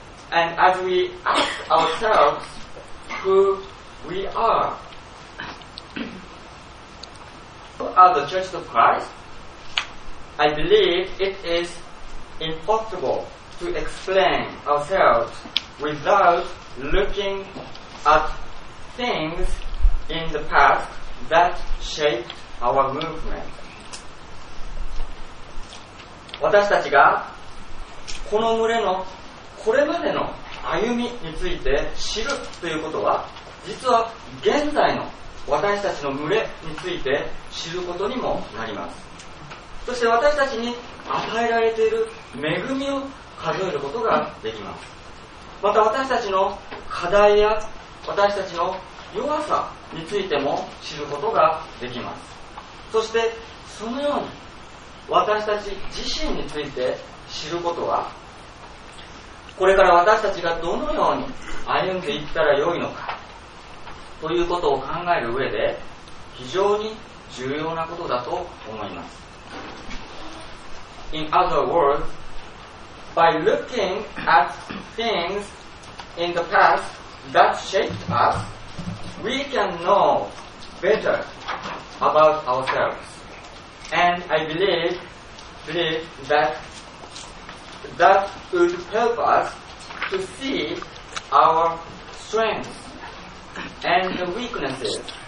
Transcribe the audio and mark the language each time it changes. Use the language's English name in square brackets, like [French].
[English] And as we ask ourselves who we are, who are the Churches of Christ, I believe it is impossible to explain ourselves without looking atthings in the past that shaped our movement. [Japanese] 私たちがこの群れのこれまでの歩みについて知るということは実は現在の私たちの群れについて知ることにもなります。そして私たちに与えられている恵みを数えることができます。また私たちの課題や私たちの弱さについても知ることができます。そしてそのように私たち自身について知ることはこれから私たちがどのように歩んでいったらよいのかということを考える上で非常に重要なことだと思います。 [English] In other words, by looking at things in the past that shaped usWe can know better about ourselves. And I believe that would help us to see our strengths and weaknesses.